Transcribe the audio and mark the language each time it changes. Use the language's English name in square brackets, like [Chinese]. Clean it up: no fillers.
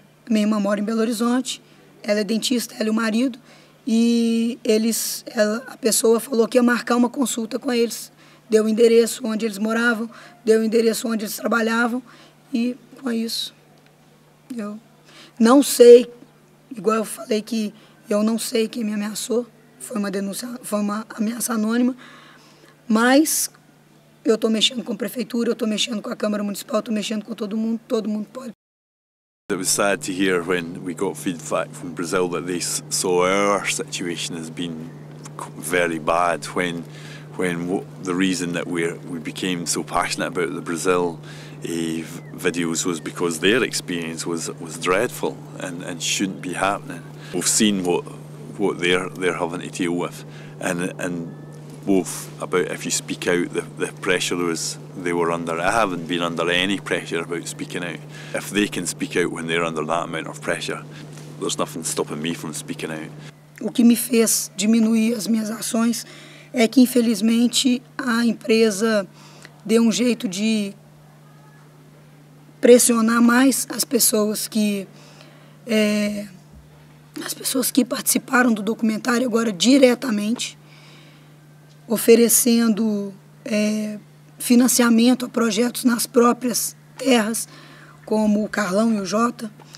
[Portuguese] Minha irmã mora em Belo Horizonte, ela é dentista, ela e o marido, e a pessoa falou que ia marcar uma consulta com eles, deu o endereço onde eles moravam, deu o endereço onde eles trabalhavam, e com isso, eu não sei, igual eu falei que eu não sei quem me ameaçou, foi uma denúncia, foi uma ameaça anônima, mas eu estou mexendo com a prefeitura, eu estou mexendo com a Câmara Municipal, estou mexendo com todo mundo pode. [English] It was sad to hear when we got feedback from Brazil that they saw our situation as being very bad, when the reason that we became so passionate about the Brazil videos was because their experience was dreadful and shouldn't be happening. We've seen what they're having to deal with, and both about if you speak out, the pressure they were under. I haven't been under any pressure about speaking out. If they can speak out when they're under that amount of pressure, there's nothing stopping me from speaking out. [Portuguese] O que me fez diminuir as minhas ações é que, infelizmente, a empresa dê um jeito de pressionar mais as pessoas que participaram do documentário agora diretamente, oferecendo financiamento a projetos nas próprias terras, como o Carlão e o Jota.